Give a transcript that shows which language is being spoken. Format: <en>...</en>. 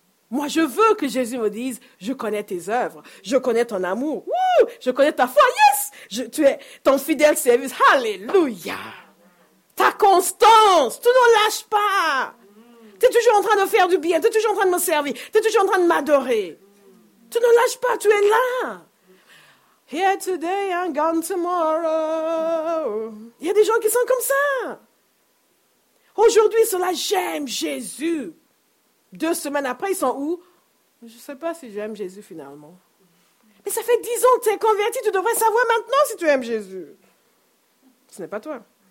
<fr>Moi, je veux que Jésus me dise, je connais tes œuvres, je connais ton amour, wouh, je connais ta foi, yes! Tu es ton fidèle service, alléluia! Ta constance, tu ne lâches pas! Tu es toujours en train de faire du bien, tu es toujours en train de me servir, tu es toujours en train de m'adorer. Tu ne lâches pas, tu es là.</fr> <en>Here today and gone tomorrow.</en> <fr>Il y a des gens qui sont comme ça. Aujourd'hui, ils sont là, j'aime Jésus. Deux semaines après, ils sont où? Je ne sais pas si j'aime Jésus finalement. Mais ça fait 10 ans que tu es converti, tu devrais savoir maintenant si tu aimes Jésus. Ce n'est pas toi.</fr>